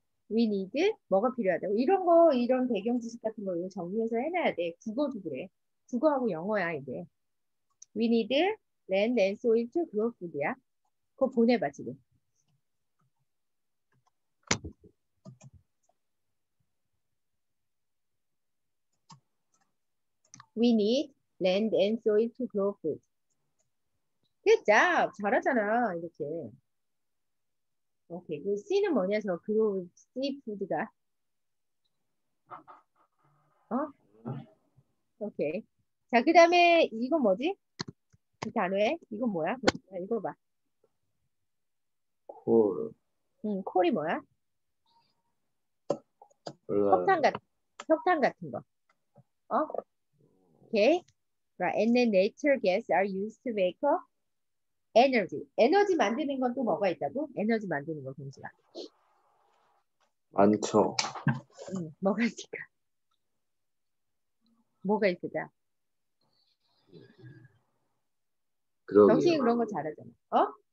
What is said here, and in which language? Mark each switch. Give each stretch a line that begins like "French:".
English: We need
Korean: 뭐가 필요하다고. 이런 거 이런 대경지식 같은 거 정리해서 해놔야 돼. 국어도 그래. 국어하고 영어야 이게.
English: We need land and soil to grow food야. 그거 보내봐 지금. We need land and soil to grow food. Good job.
Korean: 잘하잖아, 이렇게. Okay. 그 C는 뭐냐, 저
English: grow seafood
Korean: 가. 어? Okay. 자, 그 다음에, 이건 뭐지? 이 단어에? 이건 뭐야? 읽어봐.
English: Coal.
Korean: 콜이 뭐야? 몰라요. 석탄 같은 거. 어? Okay. Right.
English: And then natural gas are used to make energy.
Korean: 에너지 만드는 건 또 뭐가 있다고? 에너지 만드는 거 동시가. 많죠. 뭐가 있을까? 뭐가 있을까? 그러게요. 경식이 그런 거 잘하잖아. 어?